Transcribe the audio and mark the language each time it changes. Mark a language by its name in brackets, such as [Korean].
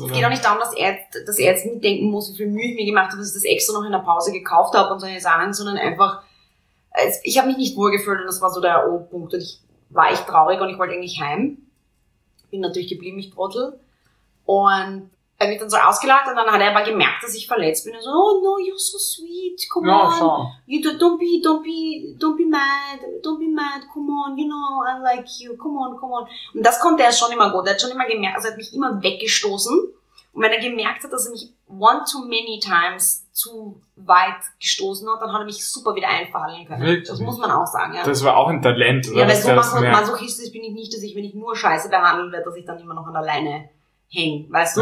[German] Oder? Es geht auch nicht darum, dass er jetzt nicht denken muss, wie viel Mühe ich mir gemacht habe, dass ich das extra noch in der Pause gekauft habe und solche Sachen, sondern einfach, ich habe mich nicht wohlgefühlt und das war so der O-Punkt und ich war echt traurig und ich wollte eigentlich heim. Bin natürlich geblieben, ich Trottel. Und er wird dann so ausgelacht und dann hat er aber gemerkt, dass ich verletzt bin. Und so, [English] oh no, you're so sweet, come on. [German] Schon. [English] You don't be mad, come on, you know, I like you, come on. [German] Und das konnte er schon immer gut. Er hat schon immer gemerkt, also er hat mich immer weggestoßen. Und wenn er gemerkt hat, dass er mich [English] one too many times [German] zu weit gestoßen hat, dann hat er mich super wieder einfallen können. Wirklich? Das muss man auch sagen, ja. Das war auch ein Talent, oder? Ja, weil so masochistisch bin ich nicht, dass ich, wenn ich nur scheiße behandeln werde, dass ich dann immer noch an der Leine hängen, weißt du?